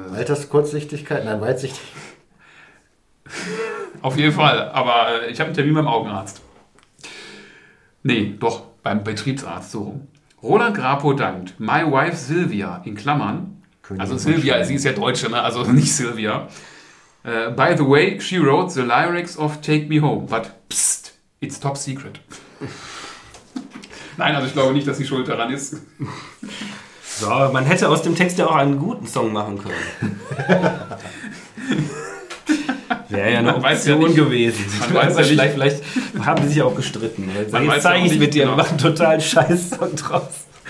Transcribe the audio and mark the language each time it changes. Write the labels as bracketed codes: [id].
[de] Alterskurzsichtigkeit? Nein, Weitsichtigkeit. Auf jeden Fall, aber ich habe einen Termin beim Augenarzt. Nee, doch, beim Betriebsarzt so. Roland Grapo dankt [en] My Wife [de] Sylvia, in Klammern. Königin, also Sylvia, sie ist ja Deutsche, ne? Also nicht Sylvia. [en] By the way, she wrote the lyrics of Take Me Home, but psst, it's top secret. [de] Nein, also ich glaube nicht, dass sie schuld daran ist. So, man hätte aus dem Text ja auch einen guten Song machen können. Wäre ja eine Option gewesen. Vielleicht haben sie sich auch gestritten. Jetzt zeige ich es mit dir, genau. Wir machen total Scheiß Song draus.